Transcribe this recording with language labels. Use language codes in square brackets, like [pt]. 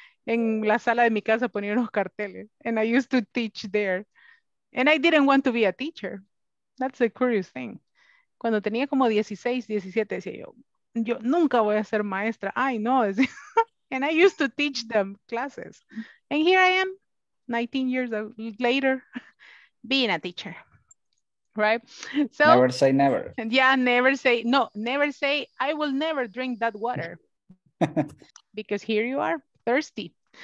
[es] En la sala de mi casa ponía unos carteles. [en] And I used to teach there. And I didn't want to be a teacher. That's a curious thing. [es] Cuando tenía como 16, 17, decía yo, yo nunca voy a ser maestra. [en] Ay, no. And I used to teach them classes. And here I am, 19 years later, being a teacher. Right, so never say never. Yeah, never say no, never say I will never drink that water because here you are thirsty.